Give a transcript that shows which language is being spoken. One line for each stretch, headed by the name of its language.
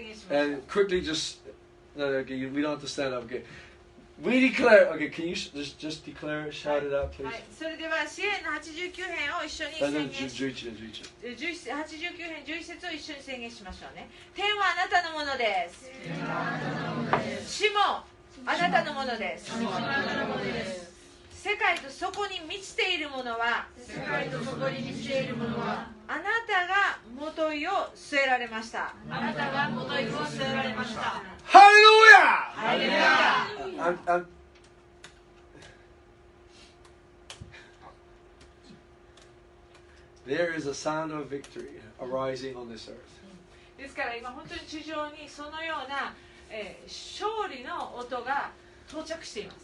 English: And quickly just, okay, we don't have to stand up, okay? We declare. Okay, can you just declare it, shout it out, please?
Japanese: はい、それでは詩篇の89編を一緒に宣言し、89編11節を一緒に宣言しましょうね。天はあなたのものです。天はあなたのものです。地もあなたのものです。地もあなたのものです。世界とそこに満ちているものは、世界とそこに満ちているものは、あなたがもといを据えられました。あなたがもといを据えられました。ハレルヤ！ハレルヤ！
English: There is a sound of victory arising on this earth.
Japanese: ですから今本当に地上にそのような、勝利の音が到着しています。